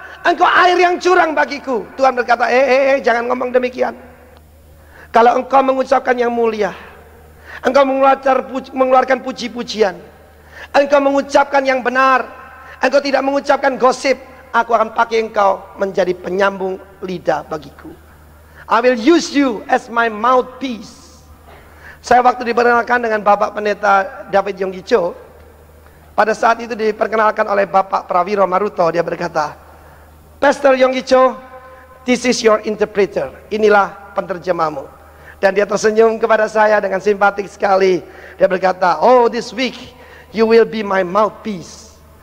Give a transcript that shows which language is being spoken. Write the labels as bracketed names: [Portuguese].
[Indonesian] Engkau air yang curang bagiku. Tuhan berkata, jangan ngomong demikian. Kalau engkau mengucapkan yang mulia, engkau mengeluarkan puji-pujian, engkau mengucapkan yang benar, engkau tidak mengucapkan gosip, aku akan pakai engkau menjadi penyambung lidah bagiku. [English] I will use you as my mouthpiece. [Indonesian] Saya waktu diperkenalkan dengan Bapak Pendeta David Yonggi Cho, pada saat itu diperkenalkan oleh Bapak Prawiro Maruto, dia berkata, Pastor Yonggi Cho, [English] this is your interpreter, [Indonesian] inilah penerjemahmu. Dan dia tersenyum kepada saya dengan simpatik sekali. Dia berkata, [English] oh this week you will be my mouthpiece.